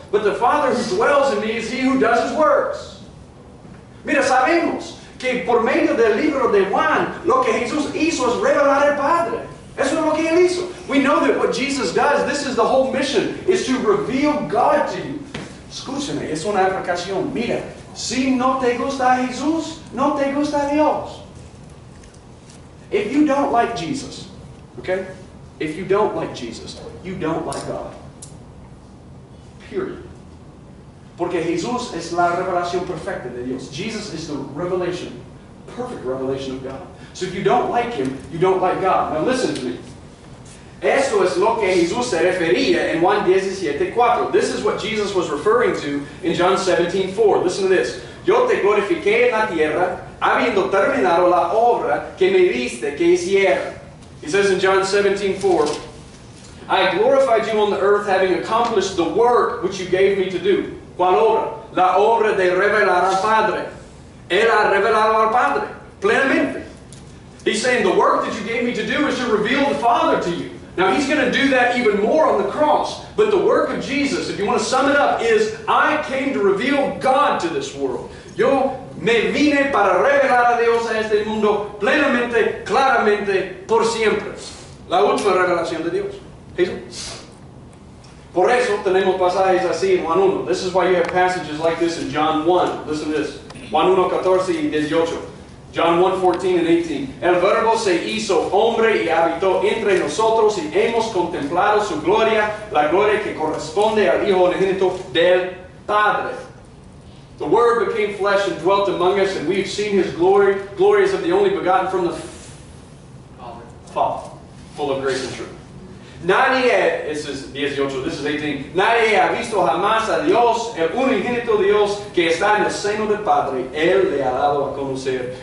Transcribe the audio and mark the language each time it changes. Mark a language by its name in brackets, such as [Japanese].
[English] But the Father who dwells in me is he who does his works. [Spanish] Mira, sabemos que por medio del libro de Juan, lo que Jesús hizo es revelar al Padre. Eso es lo que él hizo. [English] We know that what Jesus does, this is the whole mission, is to reveal God to you. [Spanish] Escúchame, es una aplicación. Mira, si no te gusta Jesús, no te gusta Dios. [English] If you don't like Jesus, okay? If you don't like Jesus, you don't like God. Period. [Spanish] Porque Jesús es la revelación perfecta de Dios. [English] Jesus is the revelation, perfect revelation of God. So if you don't like him, you don't like God. Now listen to me. [Spanish] Esto es lo que Jesús se refería en Juan 17:4. [English] This is what Jesus was referring to in John 17:4. Listen to this. [Spanish] Yo te glorifiqué en la tierra, habiendo terminado la obra que me diste que hiciera. [English] He says in John 17:4, I glorified you on the earth, having accomplished the work which you gave me to do. [Spanish] ¿Cuál obra? La obra de revelar al Padre. Él ha revelado al Padre plenamente. [English] He's saying the work that you gave me to do is to reveal the Father to you. Now he's going to do that even more on the cross. But the work of Jesus, if you want to sum it up, is I came to reveal God to this world. [Spanish] Yo me vine para revelar a Dios a este mundo plenamente, claramente, por siempre. La última revelación de Dios. Jesús. Por eso tenemos pasajes así en Juan 1. [English] This is why you have passages like this in John 1. Listen to this. [Spanish] Juan 1, 14 y 18. [English] John 1, 14 and 18. [Spanish] El verbo se hizo hombre y habitó entre nosotros y hemos contemplado su gloria, la gloria que corresponde al Hijo unigénito del Padre. [English] The Word became flesh and dwelt among us, and we have seen His glory, glories of the only begotten from the Father, full of grace and truth. [Spanish] Nadie, [English] this is 18, this is 18, [Spanish] nadie ha visto jamás a Dios, el unigénito Dios, que está en el seno del Padre, Él le ha dado a conocer.